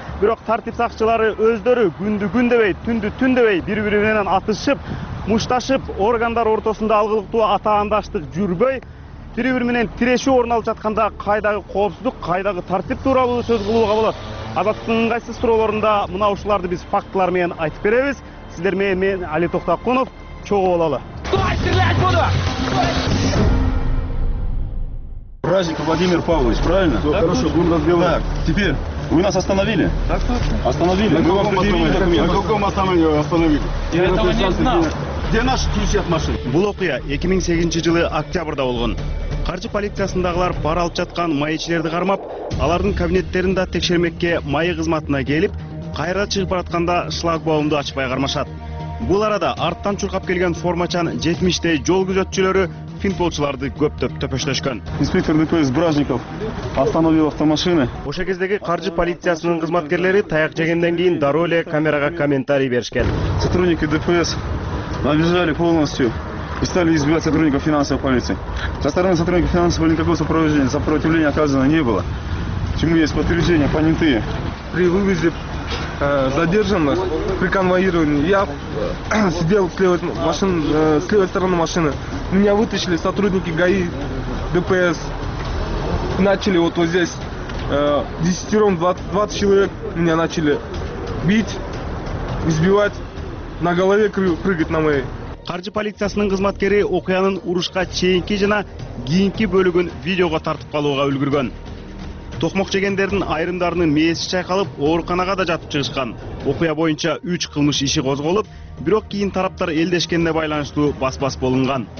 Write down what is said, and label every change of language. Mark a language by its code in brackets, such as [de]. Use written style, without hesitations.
[ky] Бирок тартип сакчылары өздөрү күндү күн дебей, түндү түн дебей бири-бири менен атышып, мушташып, органдар ортосунда алгылыктуу атаандаштык жүрбөй, бири-бири менен тирешүү орун алып жатканда кайдагы коопсуздук, кайдагы тартип тууралуу сөз кылууга болот? Азаттыктын ыңгайсыз суроолорунда мына ушуларды биз фактылар менен айтып беребиз. Сиздер менен мен Али Токтокунов чогуу алалы. [ru] Праздник Владимир Павлович, правильно? Все, хорошо, будем разговаривать. Так, теперь вы нас остановили? Так точно. Остановили? На каком остановили? Я этого не знал. Где наши ключи от машины? [ky] Бул окуя 2008 жылы октябрьда болгон. Каржы полициясындагылар пара алып жаткан маечилерди кармап, алардын кабинеттерин да текшермекке маи кызматына келип, кайра чыгып баратканда шлагбаумду ачпай кармашат. Бул арада арттан чуркап келген формачан 70-тей жол күзөтчүлөрү финтболчуларды көптөп төпөштөшкөн. [ru] Инспектор ДПС Бражников остановил автомашины. [ky] Ошо кездеги каржы полициясынын кызматкерлери таяк жегенден кийин дароо эле камерага комментарий беришкен. [ru] Сотрудники ДПС набежали полностью и стали избивать сотрудников финансовой полиции. Со стороны сотрудников финансовой полиции никакого сопровождения, сопротивления оказано не было. Чему есть подтверждение, понятые. При вывезе задержанных при конвоировании я сидел с левой стороны машины. Меня вытащили сотрудники ГАИ, ДПС. Начали вот здесь десятером 20 человек меня начали бить, избивать. На голове прыгать на моей. [ky] Каржы полициясынын кызматкери окуянын урушка чейинки жана кийинки бөлүгүн видеого тартып калууга үлгүргөн. Токмок жегендердин айрымдарынын мээси чайкалып, ооруканага да жатып чыгышкан. Окуя боюнча 3 кылмыш иши козголуп, бирок кийин тараптар элдешкенине байланыштуу бас-бас болунган.